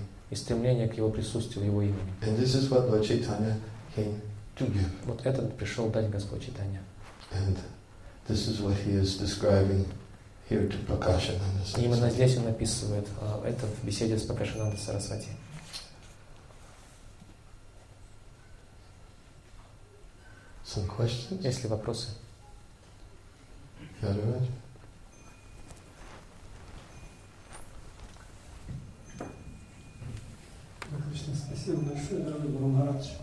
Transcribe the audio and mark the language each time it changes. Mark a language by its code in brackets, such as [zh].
[ru] И стремление к Его присутствию, Его имени. [en] And this is what Lord Chaitanya came. [ru] Вот этот пришел дать Господь Читания. [en] And this is what he is describing here to Prakashananda Sarasvati. [ru] Именно здесь он описывает это в беседе с Прокашананда Сарасвати. [en] Some questions? [ru] Есть ли вопросы? [en] Yeah,